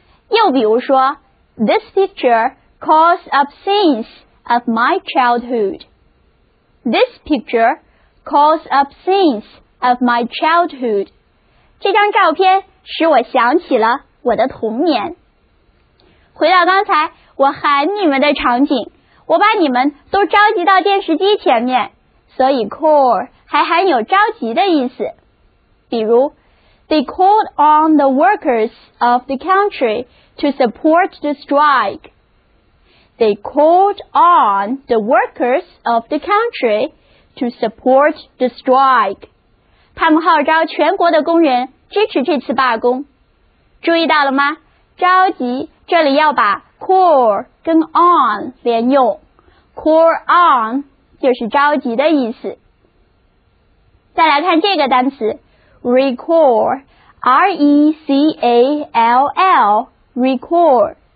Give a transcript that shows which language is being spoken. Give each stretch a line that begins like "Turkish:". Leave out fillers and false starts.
Chinese: 又比如说
English: This picture calls up scenes of my childhood. This picture calls up scenes of my childhood.
Chinese: 这张照片使我想起了我的童年。回到刚才我喊你们的场景，我把你们都召集到电视机前面，所以 call 还含有召集的意思。比如
English: They called on the workers of the country to support the strike. They called on the workers of the country to support the strike.
Chinese: 他们号召全国的工人支持这次罢工。注意到了吗？召集，这里要把 call 跟 on 连用。 Call on 就是召集的意思。再来看这个单词。Recall, R-E-C-A-L-L, recall.